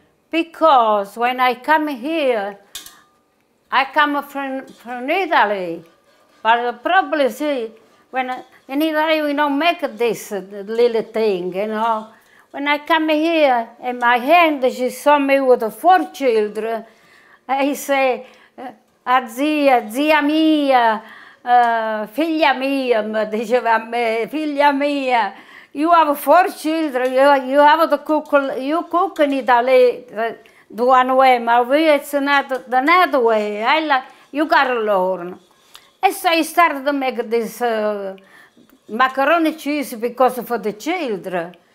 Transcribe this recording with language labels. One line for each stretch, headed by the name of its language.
English: Because when I come here, I come from Italy. But the problem is, when in Italy we don't make this little thing, you know. When I come here, and my hand, she saw me with four children. I say,
Italian: azia, zia mia, figlia mia, diceva a me, figlia mia.
English: You have four children, you have to cook, you cook in Italy one way, but we, it's not the other way. I like, you gotta learn. And so I started to make this macaroni cheese because for the children.